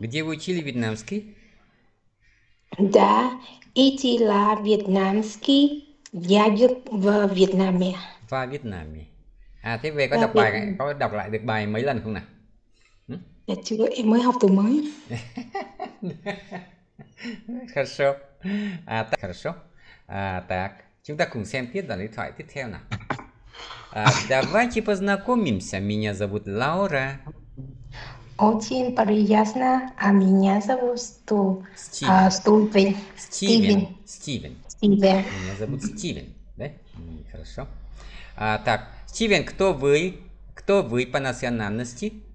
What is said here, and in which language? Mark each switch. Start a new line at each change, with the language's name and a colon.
Russian: Где вы учили вьетнамский? Да, идти на вьетнамский, я в Вьетнаме. Во Вьетнаме.
Vietnamese: À, thế về có Và đọc bài, có đọc lại được bài mấy lần không Dạ chưa, em mới học từ mới. nè?
Russian: Хорошо. À, так.
Vietnamese: Chúng ta cùng xem tiếp đoạn đối thoại tiếp theo nào.
Russian: Давайте познакомимся. Меня зовут Лаура. Очень приятно, а меня зовут Стивен. Стивен. Стивен. Стивен. Стивен. Меня зовут Стивен. Да? Хорошо. Так, Стивен, кто вы? Кто вы по национальности?